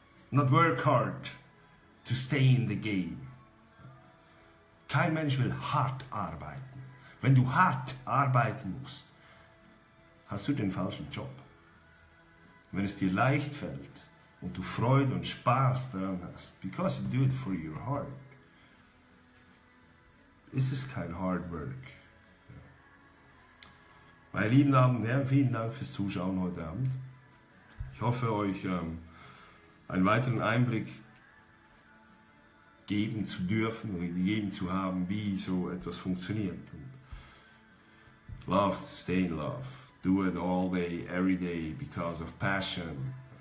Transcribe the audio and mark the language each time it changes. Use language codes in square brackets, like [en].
[en] Not work hard to stay in the game. [de] Kein Mensch will hart arbeiten. Wenn du hart arbeiten musst, hast du den falschen Job. Wenn es dir leicht fällt und du Freude und Spaß daran hast, [en] because you do it for your heart, [de] ist es kein Hard Work. Meine lieben Damen und Herren, vielen Dank fürs Zuschauen heute Abend. Ich hoffe, euch einen weiteren Einblick geben zu dürfen oder gegeben zu haben, wie so etwas funktioniert. [en] Und love, stay in love. Do it all day, every day, because of passion.